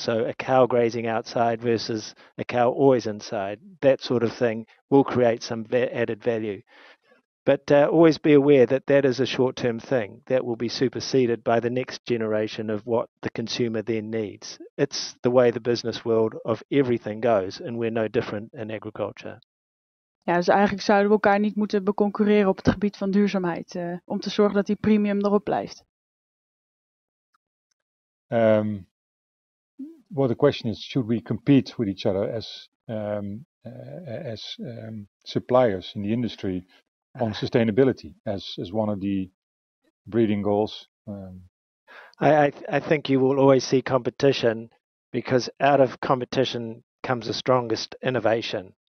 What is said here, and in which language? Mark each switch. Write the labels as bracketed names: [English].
[English] So a cow grazing outside versus a cow always inside, that sort of thing will create some added value. But always be aware that is a short-term thing that will be superseded by the next generation of what the consumer then needs. It's the way the business world of everything goes, and we're no different in agriculture. [Dutch] Ja, dus eigenlijk zouden we elkaar niet moeten beconcurreren op het gebied van duurzaamheid, om te zorgen dat die premium erop blijft. [English] Well, the question is, should we compete with each other as suppliers in the industry on sustainability as one of the breeding goals? I think you will always see competition, because out of competition comes the strongest innovation.